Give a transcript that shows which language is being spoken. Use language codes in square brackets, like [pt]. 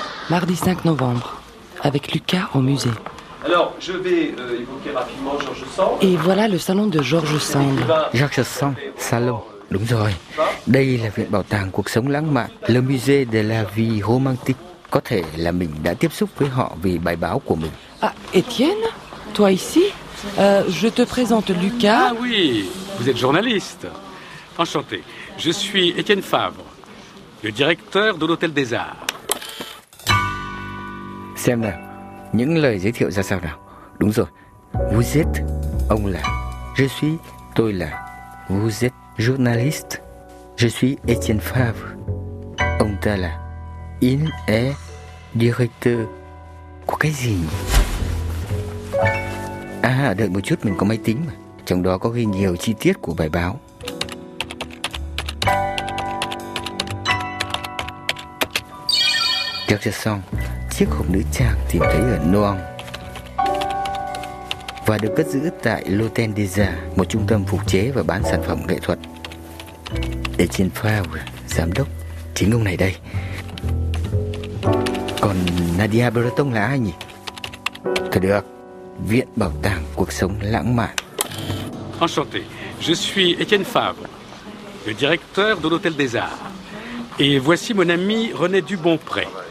[fr] Mardi 5 novembre, avec Lucas au musée. Alors, je vais évoquer rapidement George Sand. Et voilà le salon de George Sand. [vi] George Sand, salon. Đúng rồi. Đây là viện bảo tàng cuộc sống lãng mạn, Le Musée de la Vie Romantique. Có thể là mình đã tiếp xúc với họ vì bài báo của mình. [fr] À, Étienne, toi ici? Je te présente Lucas. Ah oui, vous êtes journaliste. Enchanté. Je suis Étienne Favre, le directeur de l'Hôtel des Arts. [vi] Xem nào, những lời giới thiệu ra sao nào. Đúng rồi. [fr] Vous êtes, [vi] ông là. [fr] Je suis, [vi] tôi là. [fr] Vous êtes journaliste. Je suis Étienne Favre. [vi] Ông ta là. [fr] Il est directeur. [vi] Của cái gì? À, đợi một chút, mình có máy tính mà. Trong đó có ghi nhiều chi tiết của bài báo. Chắc chưa xong. Chiếc hộp nữ trang tìm thấy ở Noan và được cất giữ tại L'Hôtel des Arts, một trung tâm phục chế và bán sản phẩm nghệ thuật. Étienne Favre, giám đốc, chính ông này đây. Còn Nadia Breton là ai nhỉ? Thôi được, Viện Bảo tàng Cuộc sống Lãng mạn. [fr] Enchanté, je suis Étienne Favre, le directeur de l'Hôtel des Arts. Et voici mon ami René Dubonpré.